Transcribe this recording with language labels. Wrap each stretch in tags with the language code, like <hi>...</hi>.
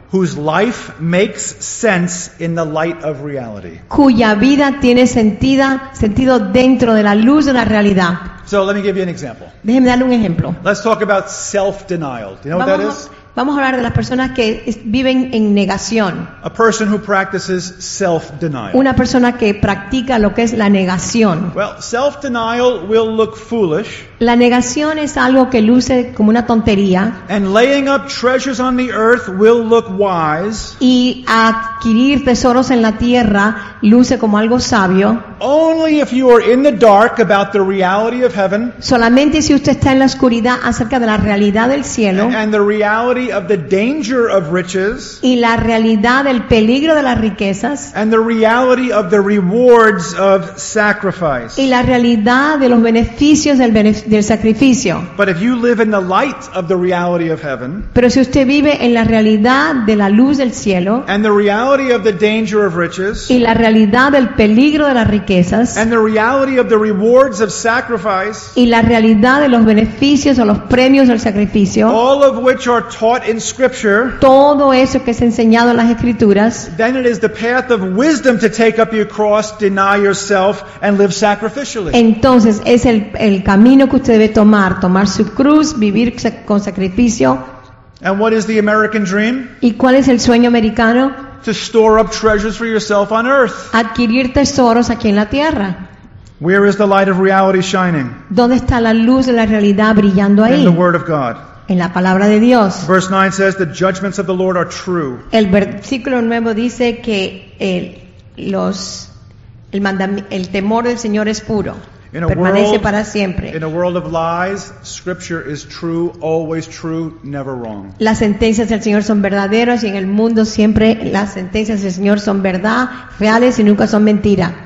<en>whose life makes sense in the light of reality.</en> <es>Cuya vida tiene sentido dentro de la luz de la realidad.</es> <en>So let me give you an example.</en> <es>Déjeme darle un ejemplo.</es> <en>Let's talk about self-denial. Do you know what that is?</en> <es>Vamos a hablar de las personas que viven en negación.</es> <en>A person who practices self-denial.</en> <es>Una persona que practica lo que es la negación.</es> <en>Well, self-denial will look foolish.</en> <es>La negación es algo que luce como una tontería.</es> <en>And laying up treasures on the earth will look wise.</en> <es>Y adquirir tesoros en la tierra luce como algo sabio.</es> <en>Only if you are in the dark about the reality of heaven.</en> <es>Solamente si usted está en la oscuridad acerca de la realidad del cielo.</es> <en>And the reality of the danger of riches.</en> <es>Y la realidad del peligro de las riquezas.</es> <en>And the reality of the rewards of sacrifice.</en> <es>Y la realidad de los beneficios del sacrificio.</es> <en>But if you live in the light of the reality of heaven.</en> <es>Pero si usted vive en la realidad de la luz del cielo.</es> <en>And the reality of the danger of riches.</en> <es>Y la realidad del peligro de las riquezas.</es> <en>And the reality of the rewards of sacrifice.</en> <es>Y la realidad de los beneficios o los premios del sacrificio.</es> <en>All of which are taught in scripture.</en> <es>Todo eso que es enseñado en las escrituras.</es> <en>Then it is the path of wisdom to take up your cross, deny yourself and live sacrificially.</en> <es>Entonces es el camino que usted debe tomar su cruz, vivir con sacrificio.</es> <en>And what is the American dream?</en> <es>¿Y cuál es el sueño americano?</es> <en>To store up treasures for yourself on earth.</en> <es>Adquirir tesoros aquí en la tierra.</es> <en>Where is the light of reality shining?</en> <es>¿Dónde está la luz de la realidad brillando ahí?</es> <en>In the word of God.</en> <es>En la palabra de Dios.</es> <en>Verse 9 says the judgments of the Lord are true.</en> <es>El versículo 9 dice que el temor del Señor es puro. permanece para siempre.</es> <en>In a world of lies, Scripture is true, always true, never wrong.</en> <es>Las sentencias del Señor son verdaderas y en el mundo siempre las sentencias del Señor son verdad, reales y nunca son mentira.</es>